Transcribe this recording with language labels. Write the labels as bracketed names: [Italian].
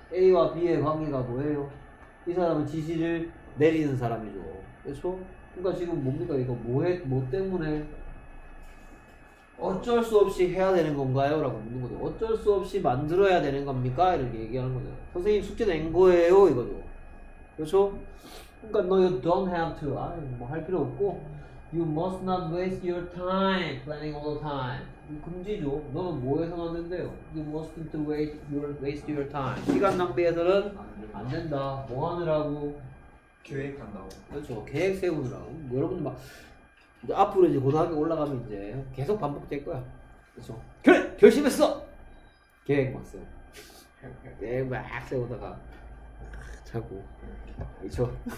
[Korean] A와 B의 관계가 뭐예요? 이 사람은 지시를 내리는 사람이죠. 그렇죠? 그러니까 지금 뭡니까? 이거 뭐 때문에 어쩔 수 없이 해야 되는 건가요? 라고 묻는 거죠. 어쩔 수 없이 만들어야 되는 겁니까? 이렇게 얘기하는 거죠. 선생님 숙제 낸 거예요, 이거죠. 그렇죠? 그러니까 no, you don't have to. 아, 뭐 할 필요 없고. [English] You must not waste your time planning all the time. [Korean] 금지죠. 너는 뭐 해서 왔는데요? You mustn't waste your time. 시간 낭비해서는 안 된다. 뭐 하느라고? 계획한다고. 그렇죠. 계획 세우느라고. 여러분들 막 이제 앞으로 이제 고등학교 올라가면 이제 계속 반복될 거야. 그렇죠. 그래! 결심했어! 계획 막 세워. 계획 막 세우다가 자고. 그렇죠.